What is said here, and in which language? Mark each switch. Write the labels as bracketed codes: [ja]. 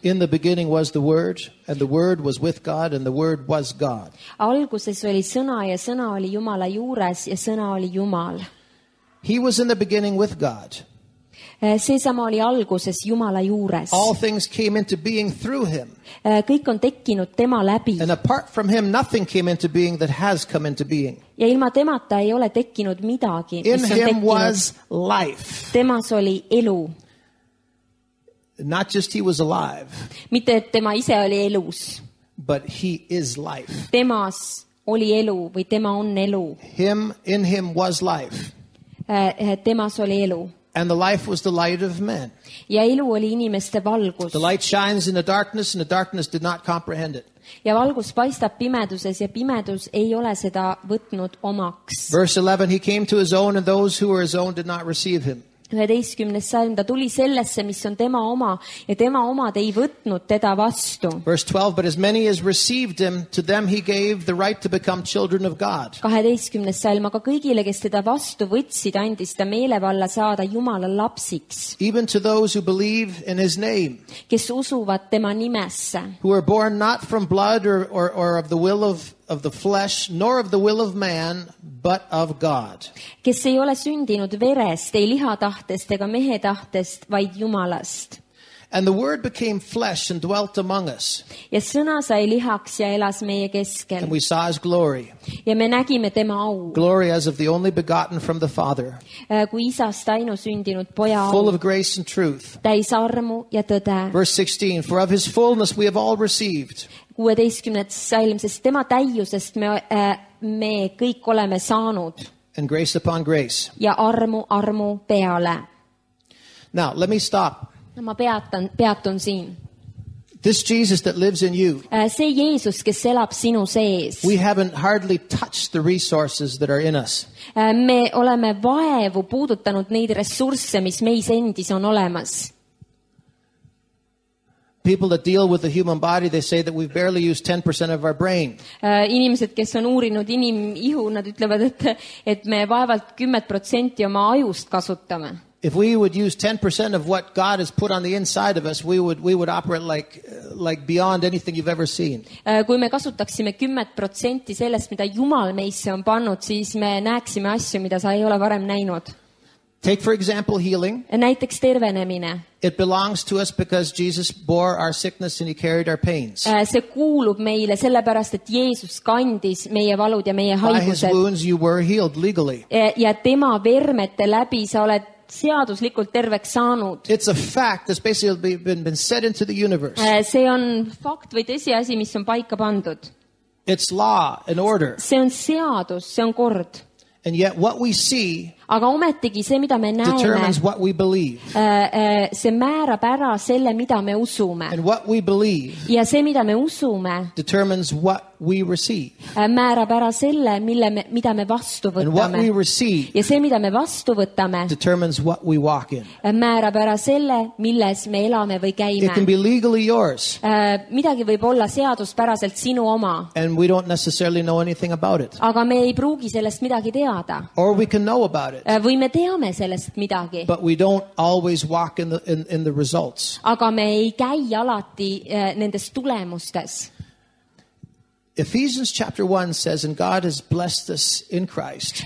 [en] In the beginning was the word, and the word was with God, and the word was God. [et] Alguses oli sõna ja sõna oli Jumala juures ja sõna oli Jumal. [en] He was in the beginning with God. [et] See sama oli alguses Jumala juures. [en] All things came into being through him. [et] Kõik on tekkinud tema läbi. [en] And apart from him nothing came into being that has come into being. [et] Ja ilma temata ei ole tekkinud midagi, mis on tekkinud. [en] In him was life. [et] Temas oli elu. [en] Not just he was alive. [et] Mitte et tema ise oli elus. [en] But he is life. [et] Temas oli elu või tema on elu. [en] Him in him was life. [et] Temas oli elu. [en] And the life was the light of men. [et] Ja elu oli inimeste valgus. [en] The light shines in the darkness and the darkness did not comprehend it. [et] Ja valgus paistab pimeduses ja pimedus ei ole seda võtnud omaks. [en] Verse 11, he came to his own and those who were his own did not receive him. [et] 11. salm, ta tuli sellesse, mis on tema oma, ja tema omad ei võtnud teda vastu. [en] Verse 12, but as many as received him, to them he gave the right to become children of God. [et] 12. salm, aga kõigile, kes teda vastu võtsid, andis ta meelevalla saada Jumala lapsiks. [en] Even to those who believe in his name. [et] Kes usuvad tema nimesse. [en] Who are born not from blood or of the will of the flesh, nor of the will of man, but of God. [et] Kes ei ole sündinud verest, ei liha tahtest, ega mehe tahtest, vaid Jumalast. [en] And the word became flesh and dwelt among us. [et] Ja sõna sai lihaks ja elas meie keskel. [en] And we saw his glory. [et] Ja me nägime tema au. [en] Glory as of the only begotten from the Father. [et] Kui isast ainu sündinud poja au. [en] Full of grace and truth. [et] Täis armu ja tõde. [en] Verse 16, for of his fullness we have all received. [et] 16. salm, sest tema täiusest me kõik oleme saanud. [en] And grace upon grace. [et] Ja armu peale. [en] Now, let me stop. [et] Ma peatun siin. [en] This Jesus that lives in you. [et] See Jeesus, kes elab sinu sees. [en] We haven't hardly touched the resources that are in us. [et] Me oleme vaevu puudutanud neid ressursse, mis meis endis on olemas. [en] People that deal with the human body, they say that we've barely used 10% of our brain. [et] Inimesed, kes on uurinud inimihu, nad ütlevad, et me vaevalt 10% oma ajust kasutame. [en] If we would use 10% of what God has put on the inside of us, we would operate like beyond anything you've ever seen. [et] Kui me kasutaksime 10% sellest, mida Jumal meisse on pannud, siis me näeksime asju, mida sa ei ole varem näinud. [en] Take for example healing. [et] Näiteks tervenemine. [en] It belongs to us because Jesus bore our sickness and he carried our pains. [et] See kuulub meile sellepärast, et Jeesus kandis meie valud ja meie haigused. [en] By his wounds you were healed legally. [et] Ja tema vermete läbi sa oled seaduslikult terveks saanud. [en] It's a fact that's basically been set into the universe. [et] See on fakt või tõsi asi, mis on paika pandud. [en] It's law and order. [et] See on seadus, see on kord. [en] And yet what we see [et] aga ometigi see, mida me näeme, [en] determines what we believe. [et] See määrab ära selle, mida me usume. [en] And what we believe [et] ja see, mida me usume, [en] determines what we receive. [et] Määrab ära selle, mida me vastu võtame. [en] And what we receive [et] ja see, mida me vastu võtame, [en] determines what we walk in. [et] Määrab ära selle, milles me elame või käime. [en] It can be legally yours. [et] Midagi võib olla seaduspäraselt sinu oma. [en] And we don't necessarily know anything about it. [et] Aga me ei pruugi sellest midagi teada. [en] Or we can know about it. [et] Või me teame sellest midagi. [en] But we don't always walk in the results. [et] Aga me ei käi alati nendes tulemustes. [en] Ephesians chapter 1 says, and God has blessed us in Christ.